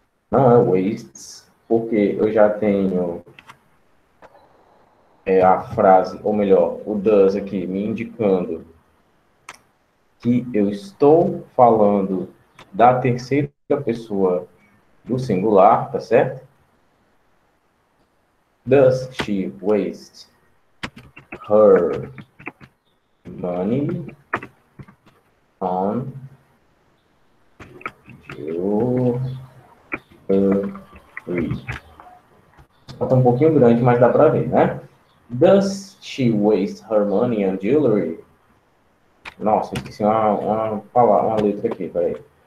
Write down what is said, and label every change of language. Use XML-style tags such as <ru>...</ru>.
<pt>Não é wastes, porque eu já tenho a frase, ou melhor, o does aqui me indicando que eu estou falando da terceira pessoa do singular, tá certo?</pt> <en>Does she waste her money on you?</en> <pt>Só tá um pouquinho grande, mas dá para ver, né?</pt> <en>Does she waste her money on jewelry?</en> <pt>Nossa, esqueci uma palavra, uma letra aqui, peraí.</pt>